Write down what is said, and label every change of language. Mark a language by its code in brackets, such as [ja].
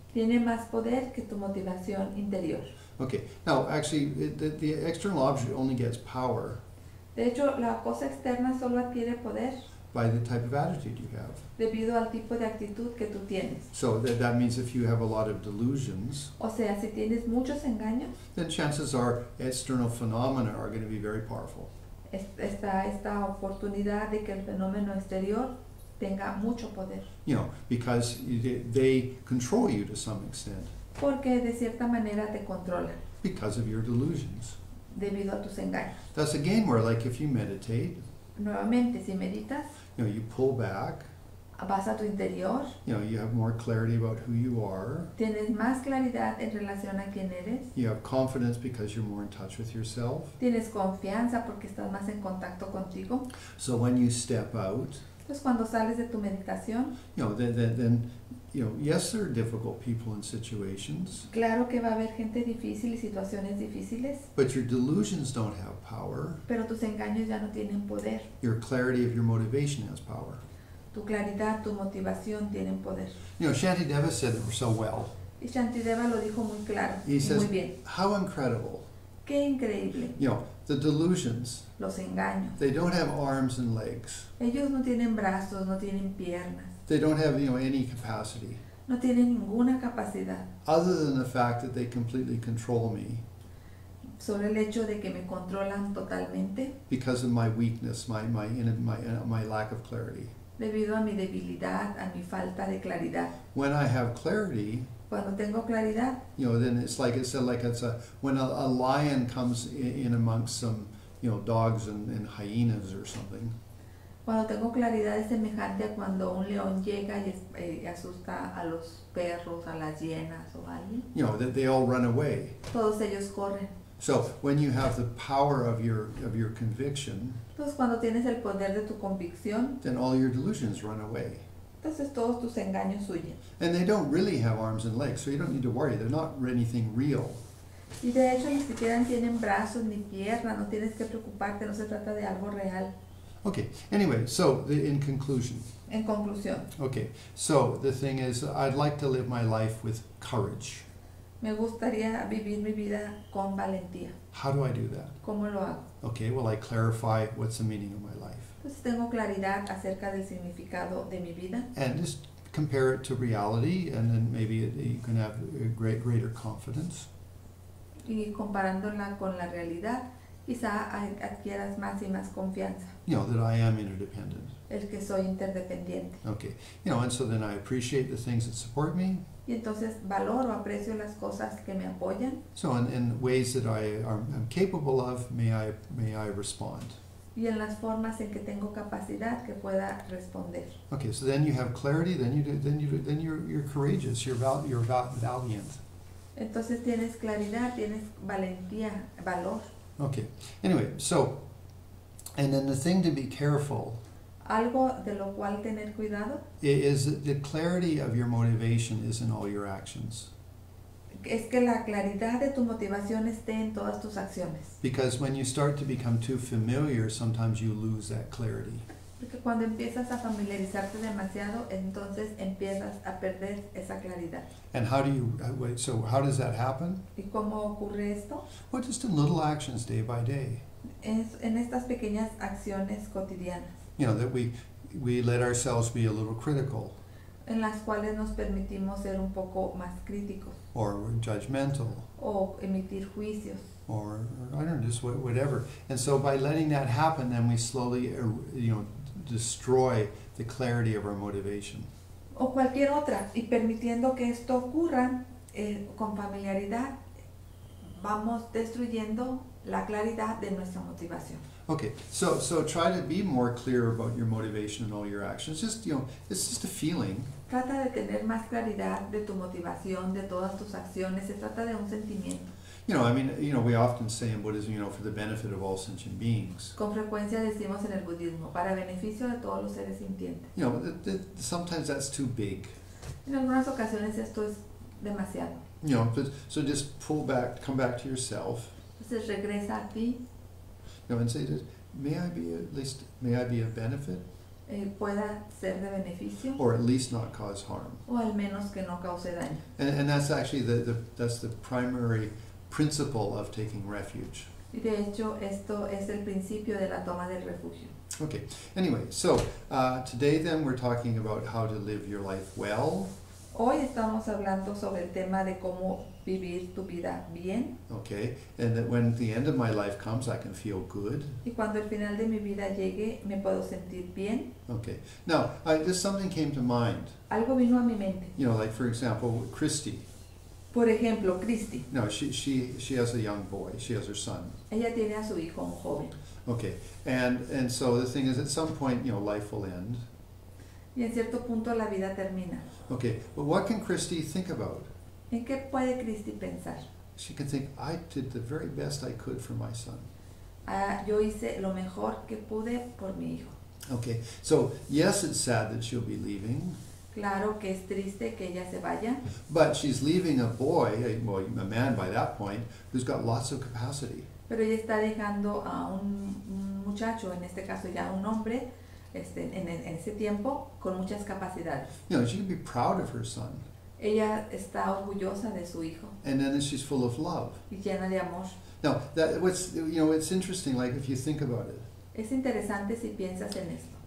[es] Tiene más poder que tu motivación interior. [en] Okay, now actually, the external object only gets power. [es] De hecho, la cosa externa solo adquiere poder. [en] by the type of attitude you have. [es] Debido al tipo de actitud que tú tienes. [en] So that means if you have a lot of delusions, [es] o sea, si tienes muchos engaños, [en] then chances are external phenomena are going to be very powerful. [es] Esta oportunidad de que el fenómeno exterior tenga mucho poder. [en] You know, because they control you to some extent. [es] Porque de cierta manera te controlan. [en] Because of your delusions. [es] Debido a tus engaños. [en] That's again where, like, if you meditate, [es] nuevamente, si meditas, [en] you know, you pull back, [es] vas a tu interior, [en] you know, you have more clarity about who you are, [es] tienes más claridad en relación a quién eres, [en] you have confidence because you're more in touch with yourself, [es] tienes confianza porque estás más en contacto contigo. [en] So when you step out, [es] entonces cuando sales de tu meditación, [en] you know, then you know, yes, there are difficult people in situations. [es] Claro que va a haber gente difícil y situaciones difíciles. [en] But your delusions don't have power. [es] Pero tus engaños ya no tienen poder. [en] Your clarity of your motivation has power. [es] Tu claridad, tu motivación tienen poder. [en] You know, Shantideva said it so well. [es] Y Shantideva lo dijo muy claro. [en] He says, [es] muy bien. [en] How incredible. [es] Qué increíble. [en] You know, the delusions. [es] Los engaños. [en] They don't have arms and legs. [es] Ellos no tienen brazos, no tienen piernas. [en] They don't have, you know, any capacity. [es] No tienen ninguna capacidad. [en] Other than the fact that they completely control me. [es] Sobre el hecho de que me controlan totalmente. [en] Because of my weakness, my lack of clarity. [es] Debido a mi debilidad, a mi falta de claridad. [en] When I have clarity. [es] Cuando tengo claridad. [en] You know, then it's like when a lion comes in amongst some, you know, dogs and hyenas or something. [es] Cuando tengo claridad es semejante a cuando un león llega y asusta a los perros, a las hienas o a alguien. [en] You know, they all run away. [es] Todos ellos corren. [en] So, when you have the power of your conviction, [es] entonces cuando tienes el poder de tu convicción, [en] then all your delusions run away. [es] Entonces todos tus engaños huyen. [en] And they don't really have arms and legs, so you don't need to worry. They're not anything real. [es] Y de hecho ni siquiera tienen brazos ni piernas. No tienes que preocuparte, no se trata de algo real. [en] Okay, anyway, so in conclusion. [es] En conclusión. [en] Okay, so the thing is, I'd like to live my life with courage. [es] Me gustaría vivir mi vida con valentía. [en] How do I do that? [es] ¿Cómo lo hago? [en] Okay, well, I clarify what's the meaning of my life. [es] Pues tengo claridad acerca del significado de mi vida. [en] And just compare it to reality, and then maybe you can have a greater confidence. [es] Y comparándola con la realidad, quizá adquieras más y más confianza. [en] You know, that I am interdependent. [es] El que soy interdependiente. [en] Okay. You know, and so then I appreciate the things that support me. [es] Y entonces valoro, aprecio las cosas que me apoyan. [en] So in ways that I'm capable of, may I respond. [es] Y en las formas en que tengo capacidad que pueda responder. [en] Okay, so then you have clarity, then you're courageous, you're valiant. [es] Entonces tienes claridad, tienes valentía, valor. [en] Okay. Anyway, so, and then the thing to be careful. [es] Algo de lo cual tener cuidado. [en] Is the clarity of your motivation is in all your actions. [es] Es que la claridad de tu motivación esté en todas tus acciones. [en] Because when you start to become too familiar, sometimes you lose that clarity. [es] Porque cuando empiezas a familiarizarte demasiado, entonces empiezas a perder esa claridad. [en] And how do you, so how does that happen? [es] ¿Y cómo ocurre esto? [en] Well, just in little actions day by day. [es] En estas pequeñas acciones cotidianas. [en] You know, that we let ourselves be a little critical. [es] En las cuales nos permitimos ser un poco más críticos. [en] Or judgmental. [es] O emitir juicios. [en] Or I don't know, just whatever. And so by letting that happen, then we slowly, you know, destroy the clarity of our motivation. [es] O cualquier otra, y permitiendo que esto ocurra con familiaridad, vamos destruyendo la claridad de nuestra motivación. [en] Okay, so try to be more clear about your motivation and all your actions. Just, you know, it's just a feeling. [es] Trata de tener más claridad de tu motivación, de todas tus acciones. Se trata de un sentimiento. [en] You know, I mean, you know, we often say in Buddhism, you know, for the benefit of all sentient beings. [es] Con frecuencia decimos en el budismo, para beneficio de todos los seres sintientes. [en] You know, sometimes that's too big. [es] En algunas ocasiones esto es demasiado. [en] You know, but, so just pull back, come back to yourself. [es] Entonces regresa a ti. [en] You know, and say, may I be a benefit? [es] Pueda ser de beneficio. [en] Or at least not cause harm. [es] O al menos que no cause daño. [en] And that's actually the primary principle of taking refuge. [es] Y de hecho, esto es el principio de la toma del refugio. [en] Okay, anyway, so today then we're talking about how to live your life well. [es] Hoy estamos hablando sobre el tema de cómo vivir tu vida bien. [en] Okay, and that when the end of my life comes, I can feel good. [es] Y cuando el final de mi vida llegue, me puedo sentir bien. [en] Okay, now, just something came to mind. [es] Algo vino a mi mente. [en] You know, like for example, Christy. [es] Por ejemplo, Christy. [en] No, she has a young boy. She has her son. [es] Ella tiene a su hijo, un joven. [en] Okay, and so the thing is, at some point, you know, life will end. [es] Y en cierto punto la vida termina. [en] Okay, but what can Christy think about? [es] ¿En qué puede Christy pensar? [en] She can think, I did the very best I could for my son. [es] Yo hice lo mejor que pude por mi hijo. [en] Okay, so yes, it's sad that she'll be leaving. [es] Claro que es triste que ella se vaya. [en] But she's leaving a boy, a man by that point, who's got lots of capacity. [es] Pero ella está dejando a un muchacho, en este caso ya un hombre, en ese tiempo, con muchas capacidades. [en] You know, she can be proud of her son. [es] Ella está orgullosa de su hijo. [en] And then she's full of love. [es] Y llena de amor. [en] Now, it's interesting, like, if you think about it. [es] Es interesante si piensas en esto.